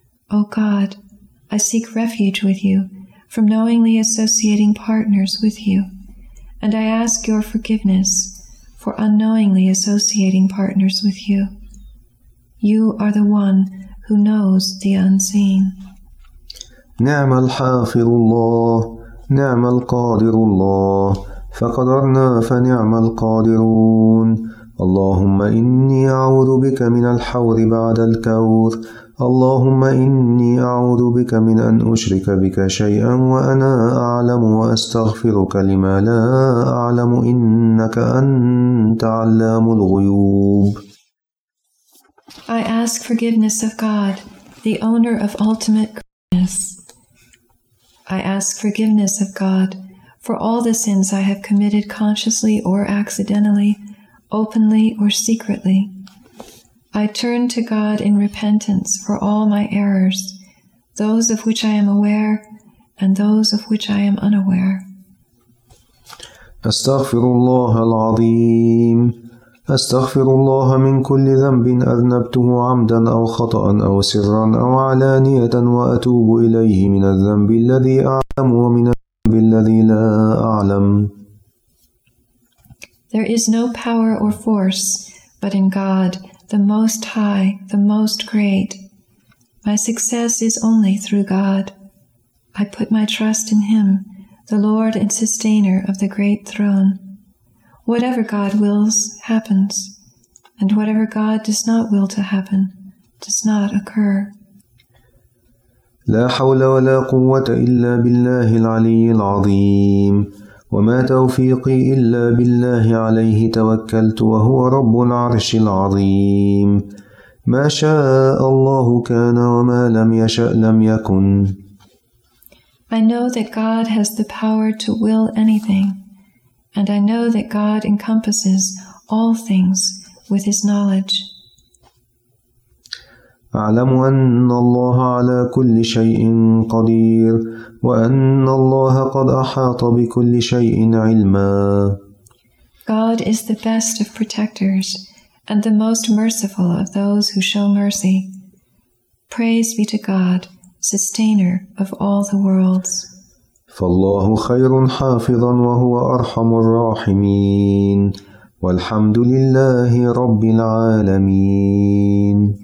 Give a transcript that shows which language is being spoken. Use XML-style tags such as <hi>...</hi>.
<en>O God, I seek refuge with you from knowingly associating partners with you, and I ask your forgiveness for unknowingly associating partners with you. You are the one who knows the unseen.</en> <ar>نعم الحافظ الله، نعم القادر الله، فقدرنا فنعم القادرون. اللهم إني أعوذ بك من الحور بعد الكور. اللهم إني أعوذ بك من أن أشرك بك شيئا وأنا أعلم، وأستغفرك لما لا أعلم، إنك أنت علام الغيوب.</ar> <en>I ask forgiveness of God, the owner of ultimate greatness. I ask forgiveness of God for all the sins I have committed consciously or accidentally, openly or secretly. I turn to God in repentance for all my errors, those of which I am aware and those of which I am unaware.</en> <ar>أستغفر الله العظيم. أستغفر الله من كل ذنب أذنبته عمدا أو خطأ أو سرا أو علانية، وأتوب إليه من الذنب الذي أعلم ومن الذنب الذي لا أعلم.</ar> <en>There is no power or force but in God, the Most High, the Most Great. My success is only through God. I put my trust in Him, the Lord and Sustainer of the Great Throne. Whatever God wills, happens, and whatever God does not will to happen, does not occur.</en> <ar>لا حول ولا قوة إلا بالله العلي العظيم، وما توفيقي إلا بالله عليه توكلت، وهو رب العرش العظيم. ما شاء الله كان وما لم يشأ لم يكن.</ar> <en>I know that God has the power to will anything. And I know that God encompasses all things with His knowledge.</en> <ar>أعلم أن الله على كل شيء قدير، وأن الله قد أحاط بكل شيء علما.</ar> <en>God is the best of protectors and the most merciful of those who show mercy. Praise be to God, sustainer of all the worlds.</en> <ar>فالله خير حافظا وهو أرحم الراحمين، والحمد لله رب العالمين.</ar>